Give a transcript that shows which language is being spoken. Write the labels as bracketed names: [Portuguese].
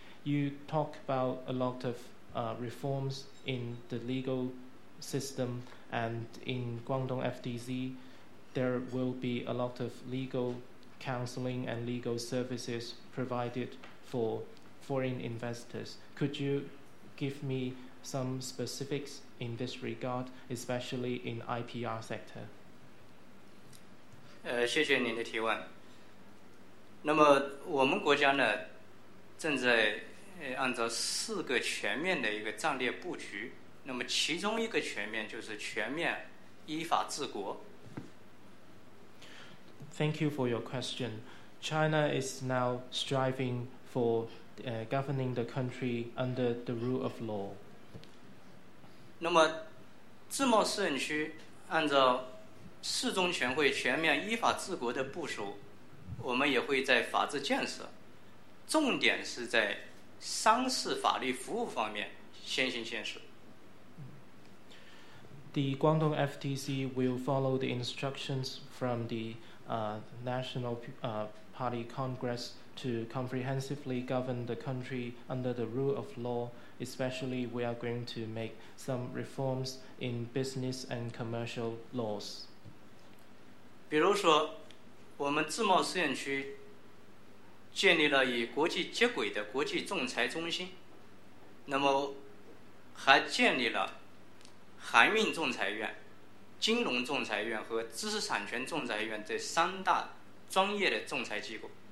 [English] You talk about a lot of reforms in the legal system and in Guangdong FTC, there will be a lot of legal counseling and legal services provided for foreign investors. Could you give me some specifics in this regard, especially in IPR sector? [Chinese] 谢谢您的提问。那么我们国家呢，正在按照4个全面的一个战略布局。那么其中一个全面就是全面依法治国。 [English] Thank you for your question. China is now striving for governing the country under the rule of law. [Chinese] 那么自贸试验区按照。四中全会全面依法治国的部署我们也会在法治建设重点是在商事法律服务方面先行先试 [English] The Guangdong FTC will follow the instructions from the National Party Congress to comprehensively govern the country under the rule of law, especially we are going to make some reforms in business and commercial laws. [Chinese] 比如说我们自贸试验区建立了与国际接轨的国际仲裁中心，那么还建立了韩运仲裁院、金融仲裁院和知识产权仲裁院这三大专业的仲裁机构。